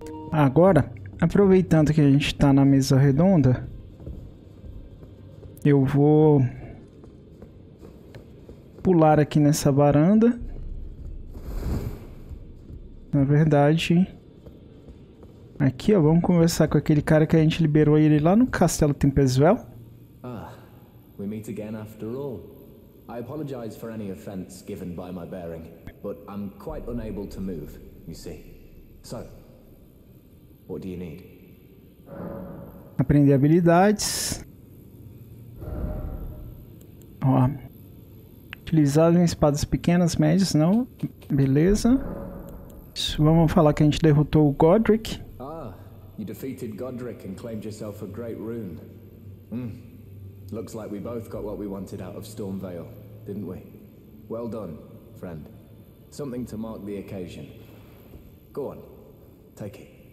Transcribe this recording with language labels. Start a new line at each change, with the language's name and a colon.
Portuguese: Agora, aproveitando que a gente está na mesa redonda, eu vou pular aqui nessa varanda. Na verdade. Aqui, ó, vamos conversar com aquele cara que a gente liberou ele lá no Castelo Tempestwell.
English: Ah, we meet again after all. I apologize for any offense given by my bearing, but I'm quite unable to move, you see. So, what do you need?
Portuguese: Aprender habilidades. Ó. Utilizar espadas pequenas, médias, não. Beleza. Isso, vamos falar que a gente derrotou o Godric.
English: Ah, you defeated Godric and claimed yourself a great rune. Looks like we both got what we wanted out of Stormvale, didn't we? Well done, friend. Something to mark the occasion. Go on, take it.